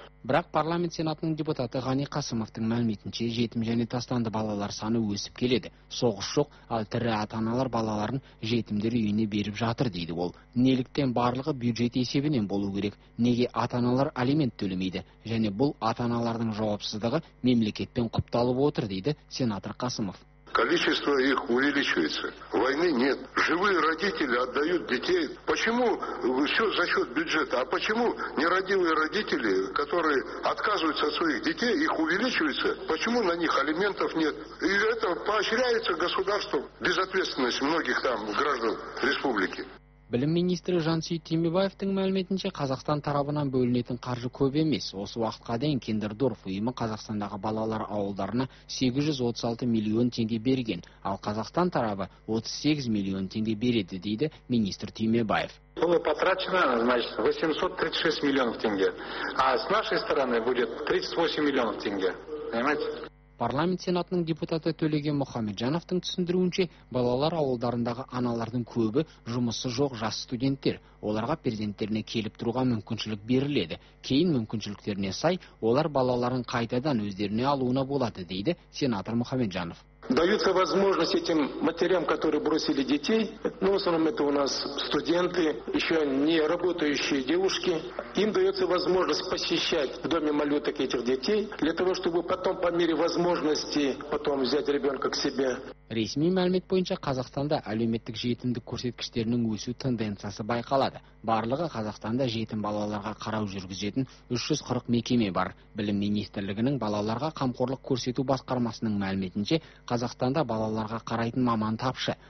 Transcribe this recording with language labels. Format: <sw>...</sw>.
<kk>Бірақ парламент сенатының депутаты Ғани Қасымовтың мәліметінше жетім және тастанды балалар саны өсіп келеді. Соғыс жоқ, ал тірі ата-аналар балаларын жетімдер үйіне беріп жатыр дейді ол. Неліктен барлығы бюджет есебінен болу керек? Неге ата-аналар алимент төлемейді? Және бұл ата-аналардың жауапсыздығы мемлекетпен құпталып отыр дейді сенатор Қасымов.</kk> <ru>Количество их увеличивается. Войны нет. Живые родители отдают детей. Почему все за счет бюджета? А почему нерадивые родители, которые отказываются от своих детей, их увеличивается? Почему на них алиментов нет? И это поощряется государством. Безответственность многих там граждан республики.</ru> <kk>Білім министрі Жансүй Тимебаевтың мәліметінше Қазақстан тарабынан бөлінетін қаржы көп емес. Осы уақытқа дейін Киндердорф ұйымы Қазақстандағы балалар ауылдарына 836 миллион теңге берген, ал Қазақстан тарабы 38 миллион теңге береді, дейді министр Тимебаев.</kk> <ru>Было потрачено, значит, 836 миллионов теңге, а с нашей стороны будет 38 миллионов теңге. Понимаете?</ru> <kk>Парламент сенатының депутаты Төлеген Мұхамеджановтың түсіндіруінше, балалар ауылдарындағы аналардың көбі жұмысы жоқ жас студенттер. Оларға президенттеріне келіп тұруға мүмкіншілік беріледі. Кейін мүмкіншіліктеріне сай, олар балаларын қайтадан өздеріне алуына болады, дейді сенатор Мұхамеджанов.</kk> <ru>Даются возможность этим матерям, которые бросили детей, ну, в основном это у нас студенты, еще не работающие девушки, им дается возможность посещать в доме малюток этих детей, для того, чтобы потом по мере возможности потом взять ребенка к себе.</ru> <kk>Ресми мәлімет бойынша Қазақстанда әлеуметтік жетімдік көрсеткіштерінің өсу тенденциясы байқалады. Барлығы Қазақстанда жетім балаларға қарау жүргізетін 340 мекеме бар. Білім министрлігінің балаларға қамқорлық көрсету басқармасының мәліметінше Қазақстанда балаларға қарайтын маман тапшы.</kk>